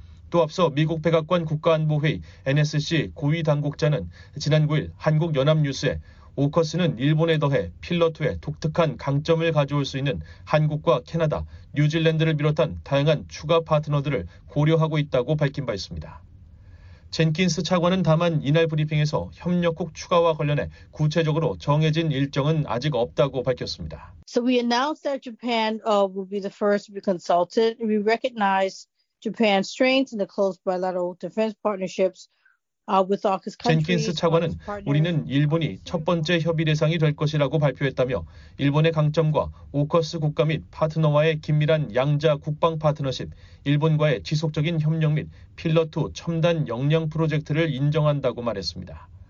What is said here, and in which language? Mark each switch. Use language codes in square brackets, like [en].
[ko] 또 앞서 미국 백악관 국가안보회의 NSC 고위 당국자는 지난 9일 한국연합뉴스에 오커스는 일본에 더해 필러2의 독특한 강점을 가져올 수 있는 한국과 캐나다, 뉴질랜드를 비롯한 다양한 추가 파트너들을 고려하고 있다고 밝힌 바 있습니다. 젠킨스 차관은 다만 이날 브리핑에서 협력국 추가와 관련해 구체적으로 정해진 일정은 아직 없다고 밝혔습니다. [en] So we announced that Japan will be the first to be consulted. We recognize Japan's strength in the close bilateral defense partnerships. [ko] 젠킨스 차관은 우리는 일본이 첫 번째 협의 대상이 될 것이라고 발표했다며 일본의 강점과 오커스 국가 및 파트너와의 긴밀한 양자 국방 파트너십, 일본과의 지속적인 협력 및 필러2 첨단 역량 프로젝트를 인정한다고 말했습니다.